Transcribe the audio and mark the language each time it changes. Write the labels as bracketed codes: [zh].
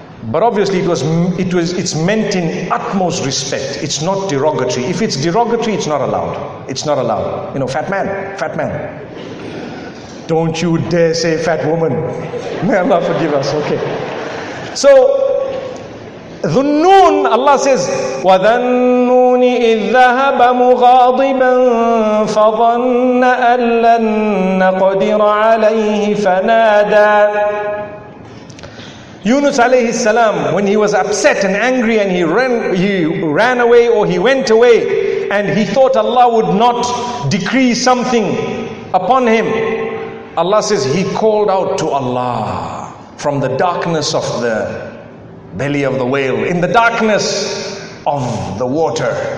[en] But obviously, it's meant in utmost respect. It's not derogatory. If it's derogatory, it's not allowed. It's not allowed. You know, fat man, fat man. Don't you dare say fat woman. May Allah forgive us. Okay. So, Dhunnun, Allah says, [ar] وَذَنُّونِ إِذْ ذَهَبَ مُغَاضِبًا فَظَنَّ أَن لَن نَقْدِرَ عَلَيْهِ فَنَادَى. [en] Yunus alayhi salam, when he was upset and angry and he ran away, or he went away and he thought Allah would not decree something upon him, Allah says he called out to Allah from the darkness of the belly of the whale, in the darkness of the water.